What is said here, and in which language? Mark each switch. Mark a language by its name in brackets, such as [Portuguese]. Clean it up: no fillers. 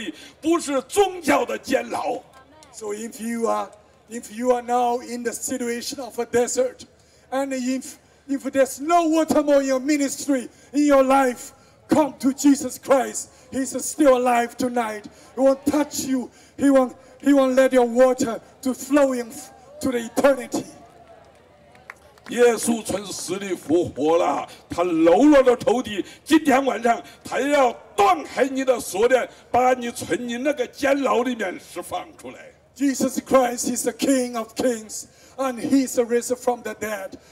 [Chinese] 如果你现在是一个干在一个干旱的旷野，好像这一样，你就需要耶稣这个生命的活水，不是宗教的监牢。 [English] So if you are now in the situation of a desert, and if there's no water more in your ministry in your life, come to Jesus Christ. He's still alive tonight. He won't touch you. He won't let your water to flow in to the eternity. [Chinese] 耶稣从死里复活了，他搂了的仇敌，今天晚上他要断开你的锁链，把你从你那个监牢里面释放出来。 [English] Jesus Christ is the King of Kings, and He is risen from the dead.